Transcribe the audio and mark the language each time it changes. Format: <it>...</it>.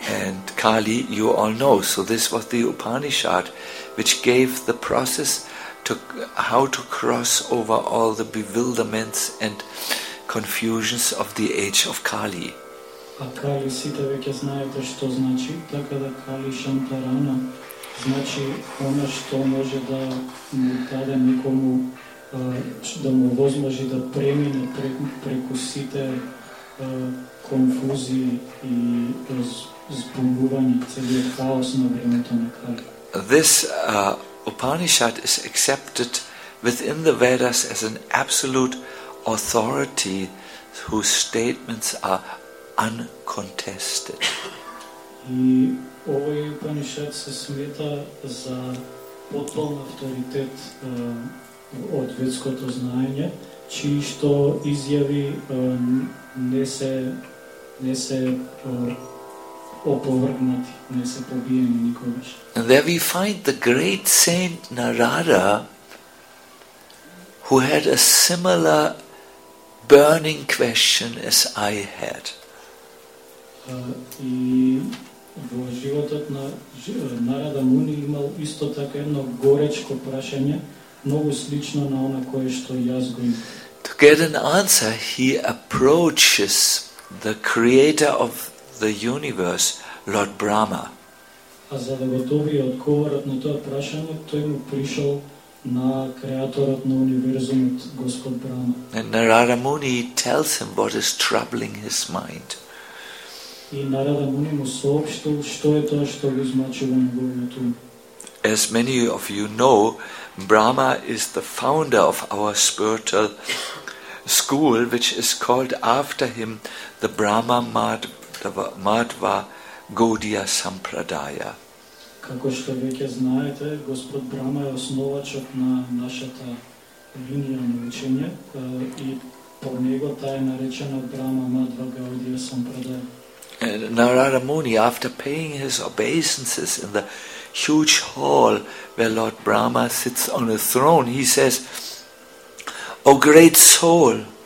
<en>And Kali, you all know, so this was the Upanishad which gave the process to how to cross over all the bewilderments and confusions of the age of Kali.</en> <mk>А Кали сите веќе знаете што значи, така да Кали Шантарана значи она што може да му даде никому да му возможи да премине преку сите конфузии и збунување, целиот хаос на времето на Кали.</mk> <en>This Upanishad is accepted within the Vedas as an absolute authority whose statements are uncontested.</en> <mk>И овој Упанишад се смета за потполна авторитет од ведското знаење, чии што изјави не се опровргнати, не се побиени никогаш.</mk> <en>And there we find the great saint Narada, who had a similar burning question as I had.</en> <mk>И во животот на Нарада Муни имал исто така едно горечко прашање, многу слично на она кое што јас го имам.</mk> <en>To get an answer, he approaches the creator of the universe, Lord Brahma.</en> <mk>А за да го доби одговорот на тоа прашање, тој му пришол на креаторот на универзумот Господ Брама.</mk> <en>And Narada Muni tells him what is troubling his mind.</en> <mk>И Narada Muni му соопштил што е тоа што го измачува неговиот ум.</mk> <en>As many of you know, Brahma is the founder of our spiritual school, which is called after him the Brahma Madhva Gaudiya Sampradaya.</en> <mk>Како што веќе знаете, Господ Брама е основачот на нашата линија на учење и по него таа е наречена Брама Мадва Гаудија Сампрадаја.</mk> <en>Narada Muni, after paying his obeisances in the huge hall where Lord Brahma sits on a throne, he says, O great soul!</en>